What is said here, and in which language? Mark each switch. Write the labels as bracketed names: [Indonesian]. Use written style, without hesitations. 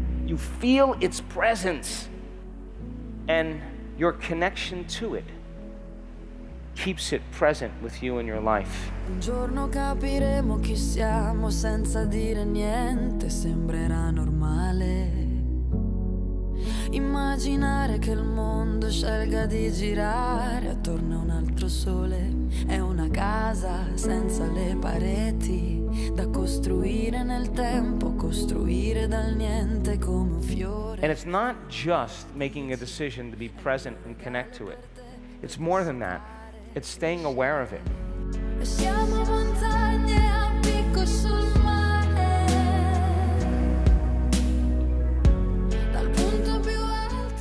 [English] You feel its presence. And your connection to it keeps it present with you in your life. [Italian] Un giorno capiremo chi siamo senza dire niente, sembrerà normale. Immaginare che il mondo scelga di girare attorno a un altro sole. È una casa senza le pareti, da costruire nel tempo, costruire dal niente come un fiore. [English] And it's not just making a decision to be present and connect to it. It's more than that. It's staying aware of it. [Italian] Siamo montagne a picco sul mare. Dal punto più alto.